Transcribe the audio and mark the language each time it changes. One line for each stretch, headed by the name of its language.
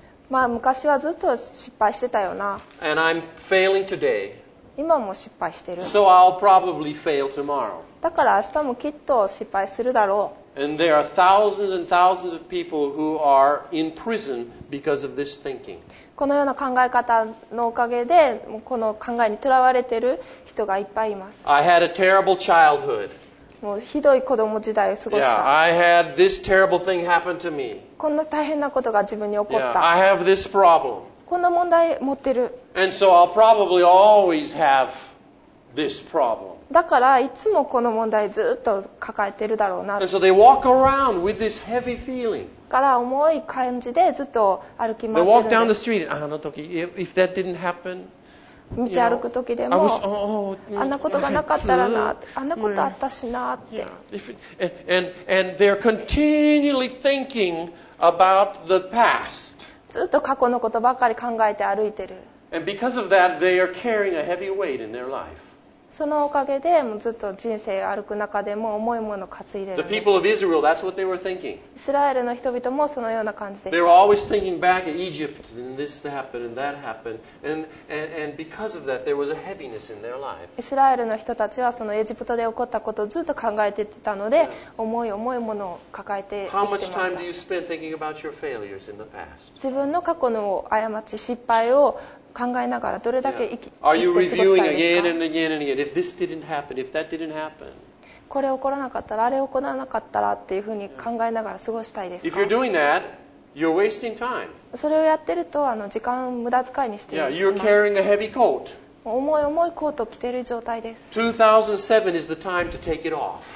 Japanese: まあ昔はずっと失敗してたよな。
English: And I'm failing today.
Japanese: 今も失敗してる。
English: So I'll probably fail tomorrow.
Japanese: だから明日もきっと失敗するだろう。
English: And there are thousands and thousands of people who are in prison because of this thinking.
Japanese: このような考え方のおかげで、この考えにとらわれている人がいっぱいいます。
English: I had a terrible childhood.
Japanese: もうひどい子供時代を過ごした。
English: Yeah, I had this terrible thing happen to me.
Japanese: こんな大変なことが自分に起こった。
English: Yeah, I have this problem.
Japanese: こんな問題持ってる。
English: And so I'll probably always have this problem.
Japanese: だからいつもこの問題ずっと抱えてるだろうな。
English: So they walk around with this heavy feeling.
Japanese: から重い感じでずっと歩き回ってる。
English: They walk down the street.
Japanese: あの時、
English: if that didn't happen,
Japanese: 道歩くときでも、
English: you know, was, oh, oh,
Japanese: あんなことがなかったらな、あんなことあったしなって。
English: Yeah. And they're continually thinking about the past.
Japanese: ずっと過去のことばかり考えて歩いてる。
English: And because of that, they are carrying a heavy weight in their life.
Japanese: そのおかげでもうずっと人生を歩く中でも重いものを担いでる。
English: The people of Israel, that's what they were thinking.
Japanese: イスラエルの人々もそのような感じでした。
English: They were always thinking back at Egypt and this happened and that happened and because of that there was a heaviness in their life.
Japanese: イスラエルの人たちはそのエジプトで起こったことをずっと考えていたので、重い重いものを抱えて生きてました。
English: How much time do you spend thinking about your failures in the past?
Japanese: 自分の過去の過ち失敗を考えながらどれだけ生き、yeah. 生きて過ごしたいですか。
English: Are you reviewing again and again and again? If this didn't happen, if that didn't happen.
Japanese: これ起こらなかったら、あれ起こらなかったらっていうふうに考えながら過ごしたいですか。
English: If you're doing that, you're wasting time.
Japanese: それをやってると、時間を無駄遣いにしています。
English: Yeah, you're carrying a heavy coat.
Japanese: 重い重いコートを着ている状態です。
English: 2007 is the time to take it off.